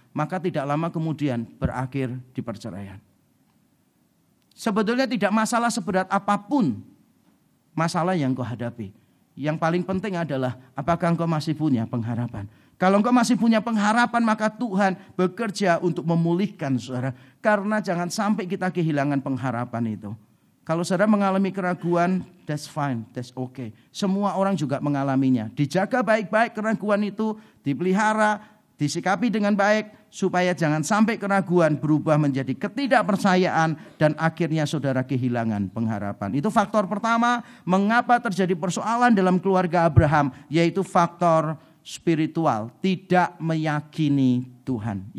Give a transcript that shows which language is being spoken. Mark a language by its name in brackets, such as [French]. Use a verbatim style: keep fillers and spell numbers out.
[Indonesian] Maka tidak lama kemudian berakhir di perceraian. Sebetulnya tidak masalah seberat apapun masalah yang kau hadapi. Yang paling penting adalah apakah engkau masih punya pengharapan. Kalau engkau masih punya pengharapan, maka Tuhan bekerja untuk memulihkan saudara. Karena jangan sampai kita kehilangan pengharapan itu. Kalau saudara mengalami keraguan, [English] that's fine, that's okay. [Indonesian] Semua orang juga mengalaminya. Dijaga baik-baik keraguan itu, dipelihara, disikapi dengan baik, supaya jangan sampai keraguan berubah menjadi ketidakpercayaan dan akhirnya saudara kehilangan pengharapan. Itu faktor pertama mengapa terjadi persoalan dalam keluarga Abraham, yaitu faktor spiritual, tidak meyakini Tuhan.